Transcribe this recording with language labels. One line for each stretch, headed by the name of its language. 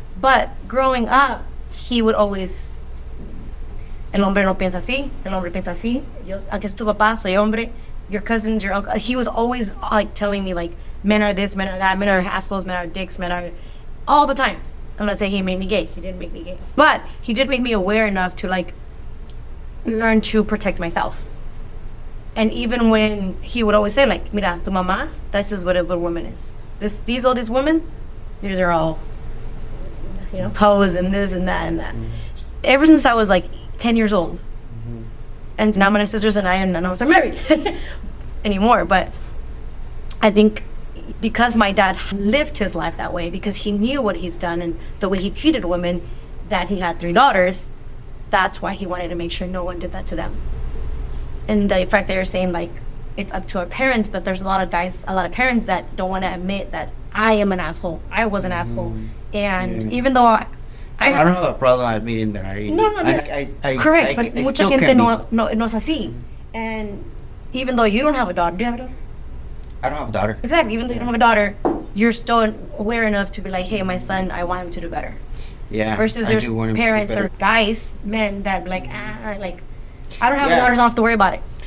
English: But growing up, he would always,
Spanish: el hombre no piensa así, el hombre piensa así, yo, aquí es tu papá, soy hombre.
English: Your cousins, your uncle, he was always like telling me like, men are this, men are that, men are assholes, men are dicks, men are, all the time. I'm not saying he made me gay, he didn't make me gay. But he did make me aware enough to like, learn to protect myself. And even when he would always say like,
Spanish: mira, tu mamá,
English: this is what a good woman is. These all these women, these are all, you know, pose and this and that and that. Mm-hmm. Ever since I was like 10 years old, and now my sisters and I and none of us are married anymore. But I think because my dad lived his life that way, because he knew what he's done and the way he treated women, that he had three daughters, that's why he wanted to make sure no one did that to them. And the fact that you're saying like, it's up to our parents, but there's a lot of parents that don't want to admit that I am an asshole. I was an asshole. And even though I don't have a problem admitting that. Correct, but
Spanish: mucha gente no es así.
English: And even though you don't have a daughter, do you have a daughter? I don't have a daughter. Exactly, even though you don't have a daughter, you're still aware enough to be like, hey, my son, I want him to do better. Yeah. Versus there's parents or guys, men, that be like, I don't have a daughter, so I don't have to worry about it.